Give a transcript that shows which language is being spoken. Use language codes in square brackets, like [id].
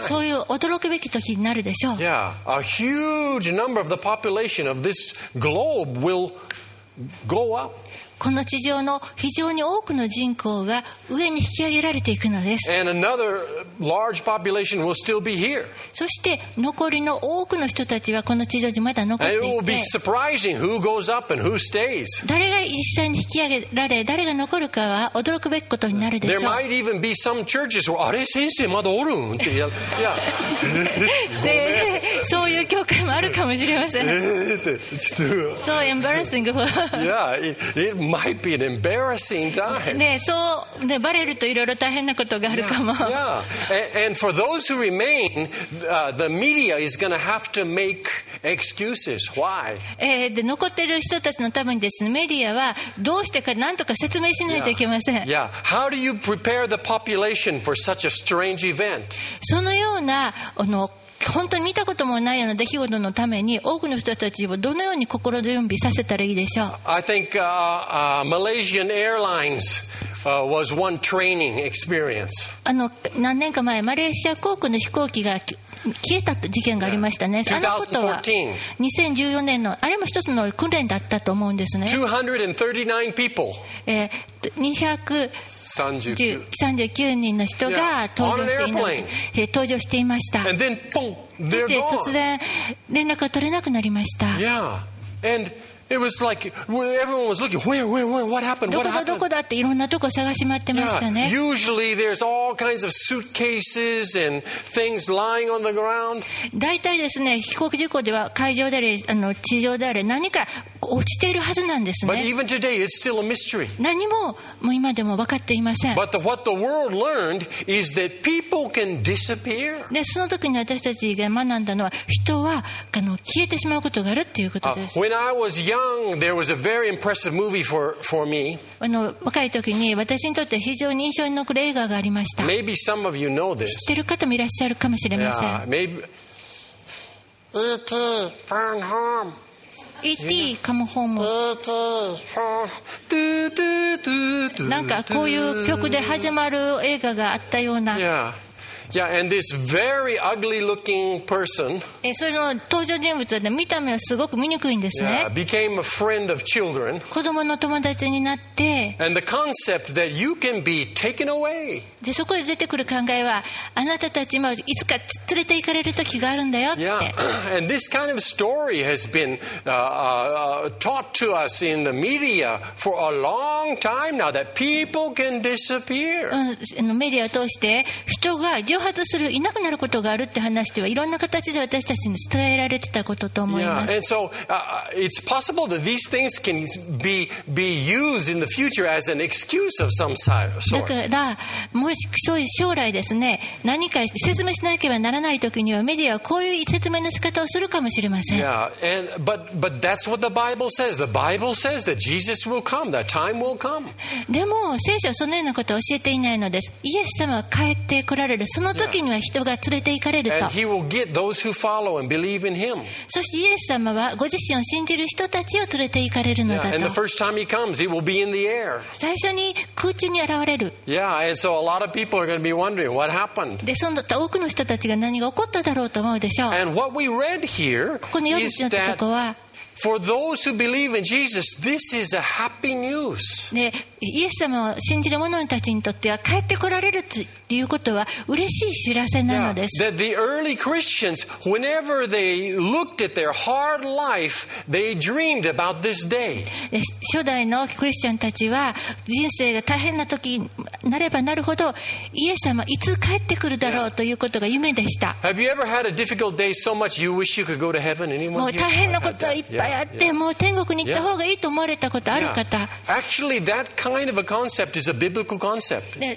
[ja] そういう驚くべき時になるでしょう。 [en] Yeah, a huge number of the population of this globe will go up. [ja] この地上の非常に多くの人口が上に引き上げられていくのです。 [en] And another large population will still be here. [ja] そして残りの多くの人たちはこの地上にまだ残っていて、 [en] And it will be surprising who goes up and who stays. [ja] 誰が実際に引き上げられ誰が残るかは驚くべきことになるでしょう。 [en] There might even be some churches where, [ja] あれ先生まだおるん？ [en] Yeah. [ja] で、そういう教会もあるかもしれません。 [en] So embarrassing. Yeah, it might be an embarrassing time. [ja] で、そう、で、バレるといろいろ大変なことがあるかも。 [en] And for those who remain, the media is going to have to make excuses. Why? [ja] で、残っている人たちのためにですね、メディアはどうしてか何とか説明しないといけません。 [en] Yeah. Yeah. How do you prepare the population for such a strange event? [ja] そのような本当に見たこともないような出来事のために多くの人たちをどのように心準備させたらいいでしょう。 [en] I think Malaysian Airlines was one training experience. [ja] 何年か前、マレーシア航空の飛行機が消えた事件がありましたね。 [en] Yeah. [ja] あのことは2014年のあれも一つの訓練だったと思うんですね。 [en] 239 people. [ja] 239人の人が搭乗していない、搭乗していました。 [en] And then, boom, they're gone. [ja] そして突然連絡が取れなくなりました。 [en] Yeah. And it was like everyone was looking. Where? What happened? [ja] どこだどこだっていろんなとこ探し回ってましたね。 [en] Yeah. Usually there's all kinds of suitcases and things lying on the ground. [ja] だいたいですね、飛行機事故では海上であれ地上であれ何か落ちているはずなんですね。 [en] But even today, it's still a mystery. [ja] 何も、もう今でも分かっていません。 [en] But what the world learned is that people can disappear. [ja] で、その時に私たちが学んだのは、人は消えてしまうことがあるということです。 [en] When I was young, there was a very impressive movie for me. [ja] 若い時に私にとって非常に印象に残る映画がありました。 [en] Maybe some of you know this. [ja] 知ってる方もいらっしゃるかもしれません。 [en] Yeah, maybe. E.T. Phone Home. E.T. Come Home. E.T. Phone Home. [ja] なんかこういう曲で始まる映画があったような。 [en] Yeah. Yeah, and this very ugly looking person. [ja] その登場人物は、ね、見た目はすごく醜いんですね。 [en] Yeah, became a friend of children. [ja] 子供の友達になって。 [en] And the concept that you can be taken away. [ja] でそこで出てくる考えは、あなたたちもいつか連れて行かれる時があるんだよって。 [en] Yeah, and this kind of story has been taught to us in the media for a long time now that people can disappear. [ja] メディアを通して人が蒸発するいなくなることがあるって話ではいろんな形で私たちに伝えられてたことと思います。 [en] Yeah, and so, it's possible that these things can be used in the future as an excuse of some sort. [ja] だからもしそういう将来ですね、何か説明しなければならない時にはメディアはこういう説明の仕方をするかもしれません。 [en] Yeah, and, but that's what the Bible says. The Bible says that Jesus will come, that time will come. [ja] でも聖書はそのようなことを教えていないのです。イエス様は帰ってこられる、その時には人が連れて行かれると。 [en] And he will get those who follow and believe in him. [ja] そしてイエス様はご自身を信じる人たちを連れて行かれるのだと。 [en] And the first time he comes, he will be in the air. [ja] 最初に空中に現れる。 [en] Yeah, and so a lot of people are going to be wondering what happened. [ja] で、その多くの人たちが何が起こっただろうと思うでしょう。 [en] And what we read here is that for those who believe in Jesus, this is a happy news. [ja] ね、イエス様を信じる者たちにとっては帰ってこられるということは嬉しい知らせなのです。 [en] Yeah, that the early Christians, whenever they looked at their hard life, they dreamed about this day. [ja] 初代のクリスチャンたちは人生が大変な時になればなるほどイエス様いつ帰ってくるだろうということが夢でした。 [en] Have you ever had a difficult day so much you wish you could go to heaven? Anyone? [ja] もう大変なことはいっぱいあって、もう天国に行った方がいいと思われたことある方。 [en] Actually, thatKind of a concept is a biblical concept.